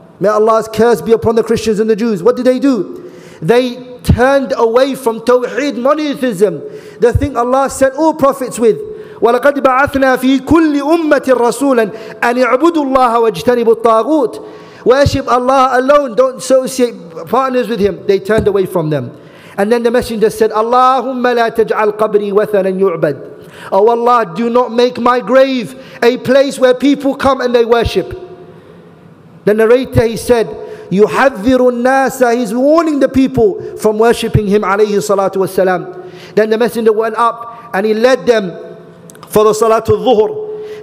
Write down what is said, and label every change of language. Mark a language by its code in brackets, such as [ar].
[en] May Allah's curse be upon the Christians and the Jews. What did they do? They turned away from Tawheed, monotheism, the thing Allah sent all prophets with. [ar] وَلَقَدْ بَعَثْنَا فِي كُلِّ أُمَّةٍ رَسُولًا أَنْ اعْبُدُوا اللَّهَ وَاجْتَنِبُوا الطَّاغُوتِ. [en] Worship Allah alone, don't associate partners with Him. They turned away from them. And then the messenger said, [ar] اللهم لا تجعل قبري وثنا يعبد. [en] Oh Allah, do not make my grave a place where people come and they worship. The narrator, he said, [ar] يُحَذِّرُ النَّاسَ, [en] he's warning the people from worshipping him [ar] عليه الصلاة والسلام. [en] Then the messenger went up and he led them for the Salatul Dhuhr.